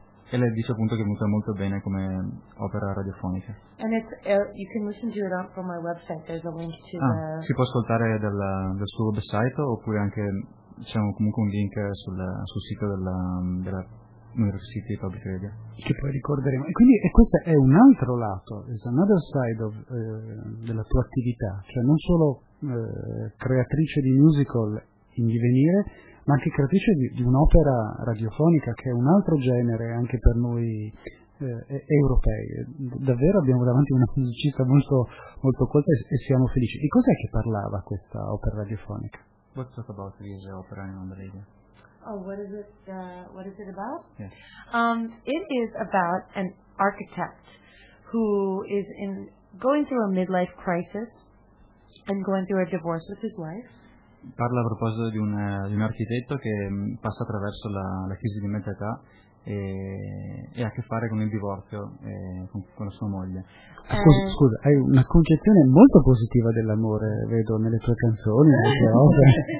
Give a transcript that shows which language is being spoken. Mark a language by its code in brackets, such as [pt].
[it] E lei dice appunto che è venuta molto bene come opera radiofonica. [en] And it's you can listen to it from my website. There's a link to [it] si può ascoltare dal suo website, oppure anche c'è comunque un link sul sito della University Public Radio. Che poi ricorderemo. E quindi questo è un altro lato, [en] is another side of [it] della tua attività, cioè non solo creatrice di musical in divenire, ma anche creatrice di un'opera radiofonica, che è un altro genere anche per noi europei. Davvero abbiamo davanti una musicista molto, molto colta e siamo felici. Di cos'è che parlava questa opera radiofonica? [en] What's it about, this opera on the radio? Oh, what is it about? Yes. It is about an architect who is going through a midlife crisis and going through a divorce with his wife. [it] Parla a proposito di un architetto che passa attraverso la crisi di mezza età e ha a che fare con il divorzio con la sua moglie. Scusa, hai una concezione molto positiva dell'amore, vedo nelle tue canzoni, nelle tue opere.